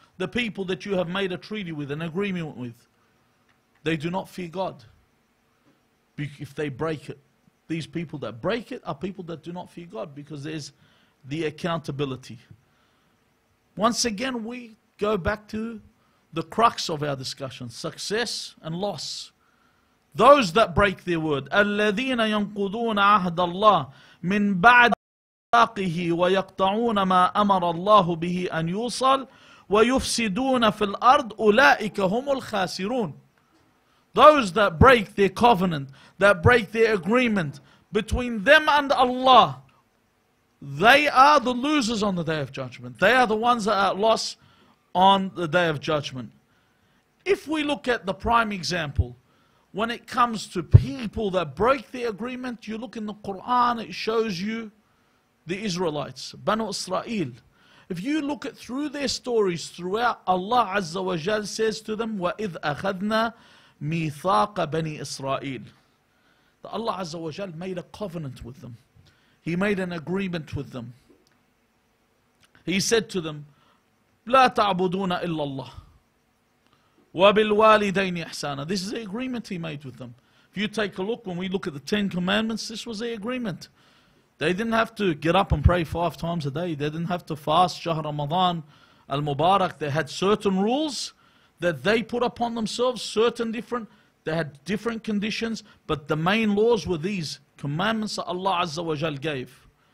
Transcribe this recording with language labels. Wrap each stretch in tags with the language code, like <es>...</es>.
<en>The people that you have made a treaty with, an agreement with, they do not fear God if they break it. These people that break it are people that do not fear God because there's the accountability. Once again, we go back to the crux of our discussion, success and loss. Those that break their word,</en> <ar>الَّذِينَ يَنْقُضُونَ عَهْدَ اللَّهِ مِنْ بَعْدِ مِيثَاقِهِ وَيَقْطَعُونَ مَا أَمَرَ اللَّهُ بِهِ أَنْ يُوصَلْ وَيُفْسِدُونَ فِي الْأَرْضِ أُولَٰئِكَ هُمُ الْخَاسِرُونَ.</ar> <en>Those that break their covenant, that break their agreement between them and Allah, they are the losers on the Day of Judgment. They are the ones that are at loss on the Day of Judgment. If we look at the prime example, when it comes to people that break the agreement, you look in the Quran, it shows you the Israelites, Banu Israel, if you look at through their stories throughout, Allah Azza wa Jal says to them,</en> <ar>وَإِذْ أَخَذْنَا مِيثَاقَ بَنِي إِسْرَائِيلِ,</ar> <en>that Allah Azza wa Jal made a covenant with them. He made an agreement with them. He said to them,</en> <ar>لَا تَعْبُدُونَ إِلَّا اللَّهِ وَبِالْوَالِدَيْنِ إِحْسَانًا.</ar> <en>This is the agreement he made with them. If you take a look, when we look at the Ten Commandments, this was the agreement. They didn't have to get up and pray 5 times a day. They didn't have to fast Shah Ramadan al-Mubarak. They had certain rules that they put upon themselves, certain different, they had different conditions, but the main laws were these commandments that Allah Azza wa Jal gave.</en>